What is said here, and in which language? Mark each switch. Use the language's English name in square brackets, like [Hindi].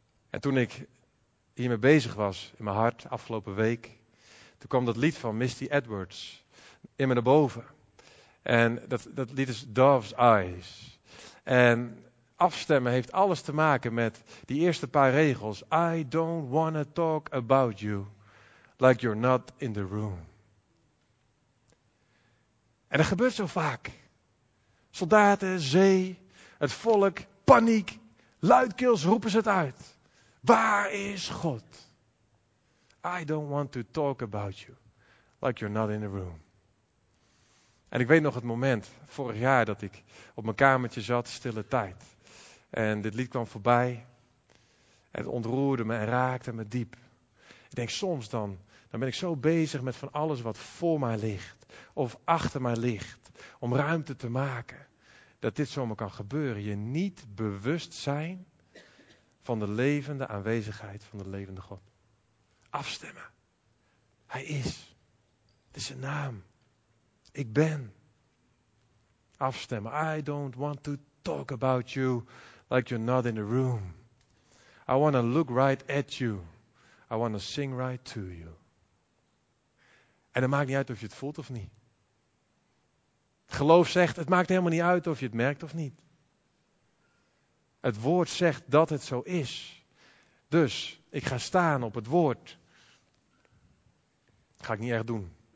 [Dutch] En toen ik hiermee bezig was in mijn hart afgelopen week, toen kwam dat lied van Misty Edwards in me naar boven. En dat lied is Dove's Eyes. En afstemmen heeft alles te maken met die eerste paar regels. [English] I don't wanna talk about you like you're not in the room. [Dutch] En dat gebeurt zo vaak. Soldaten, zee, het volk, paniek, luidkeels roepen ze het uit. Waar is God? [English] I don't want to talk about you like you're not in the room. [Dutch] En ik weet nog het moment, vorig jaar, dat ik op mijn kamertje zat, stille tijd. En dit lied kwam voorbij. Het ontroerde me en raakte me diep. Ik denk soms dan ben ik zo bezig met van alles wat voor mij ligt. Of achter mij ligt. Om ruimte te maken. Dat dit zomaar kan gebeuren. Je niet bewust zijn van de levende aanwezigheid van de levende God. Afstemmen. Hij is. Het is zijn naam. Ik ben. Afstemmen. [English] I don't want to talk about you like you're not in the room. I want to look right at you. I want to sing right to you. [Dutch] En het maakt niet uit of je het voelt of niet. Geloof zegt, het maakt helemaal niet uit of je het merkt of niet. Het woord zegt dat het zo is. Dus, ik ga staan op het woord. Ga ik niet echt doen.